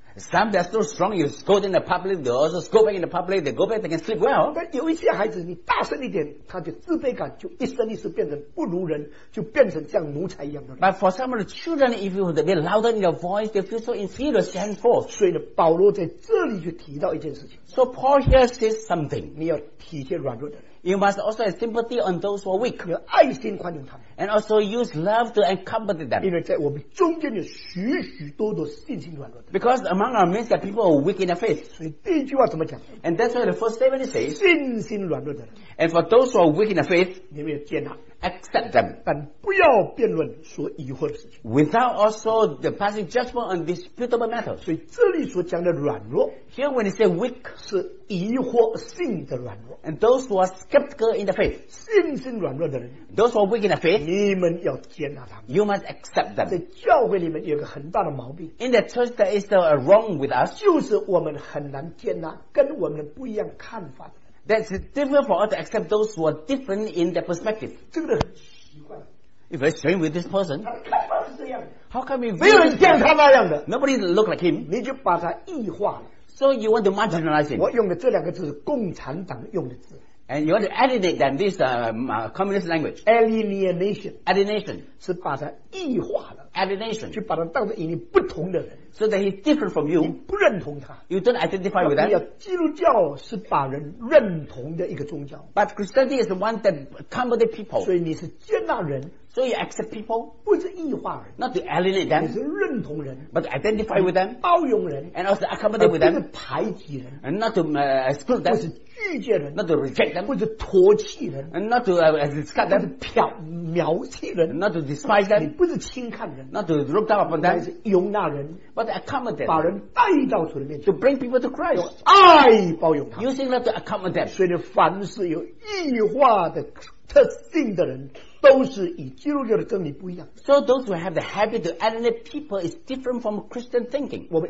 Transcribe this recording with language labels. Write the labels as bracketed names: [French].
[English] Some they are so strong, you scold in the public, they also scold back in the public, they go back, they can sleep well. [Chinese] 但有一些孩子,你大声一点,他就自卑感,就一声一声变成不如人,就变成像奴才一样的人。 [English] But for some of the children, if you would be louder in your voice, they feel so inferior, stand forth. [Chinese] 所以保罗在这里就提到一件事情。 [English] So Paul here says something. [Chinese] 你要体贴软弱的人。 [English] You must also have sympathy on those who are weak. [Chinese] 要爱心宽容他们。 [English] And also use love to accompany them. [Chinese] 因为在我们中间有许许多多信心软弱的。 [English] Because among our midst are people who are weak in their faith. [Chinese] 所以第一句话怎么讲? [English] And that's why the first statement it says, [Chinese] 信心软弱的人。 [English] And for those who are weak in their faith, [Chinese] 你们要接纳。 [English] Accept them. [Chinese] 但不要辩论所疑惑的事情。 [English] Without also the passing judgment on disputable matters. [Chinese] 所以这里所讲的软弱, [English] here when it says weak, [Chinese] 是疑惑性的软弱。 [English] And those who are skeptical in the faith, [Chinese] 信心软弱的人, [English] those who are weak in the faith, [Chinese] 你们要接纳他们。 [English] You must accept them. [Chinese] 在教会里面有个很大的毛病。 [English] In the church there is still a wrong with us. [Chinese] 就是我们很难接纳跟我们不一样看法的。 [English] That's difficult for us to accept those who are different in their perspective. [Chinese] 真的很奇怪。 [English] If we're sharing with this person, [Chinese] 他看法是这样的, [English] how come we really [Chinese] 没有人像他那样的, [English] nobody look like him? [Chinese] 你就把他异化了。 [English] So you want to marginalize him. [Chinese] 我用的这两个字是共产党用的字。 [English] And you want to alienate them, this communist language. Alienation. Alienation. [Chinese] 是把他异化了。 [English] Alienation. [Chinese] 去把他当作与你不同的人。 [English] So that he's different from you. [Chinese] 你不认同他, [English] you don't identify with that. [Chinese] 基督教是把人认同的一个宗教。 [English] But Christianity is the one that accommodates people. [Chinese] 所以你是接纳人。 [English] So you accept people, [Chinese] 不是异化人, [English] not to alienate them, [Chinese] 你是认同人, [English] but to identify with them, [Chinese] 包容人, [English] and also accommodate with them, [Chinese] 不是排挤人, [English] and not to exclude them, [Chinese] 不是拒绝人, [English] not to reject them, [Chinese] 不是唾弃人, [English] and not to discard them, [Chinese] 不是藐弃人, [English] and not to despise them, [Chinese] 你不是轻看人, [English] not to look down upon them, [Chinese] 你是容纳人, [English] but to accommodate them, [Chinese] 把人带到主里面, [English] to bring people to Christ, [Chinese] 用爱包容他, [English] using love to accommodate them. [Chinese] 所以凡是有异化的特性的人, 都是与基督教的真理不一样。 [English] So those who have the habit to alienate people is different from Christian thinking.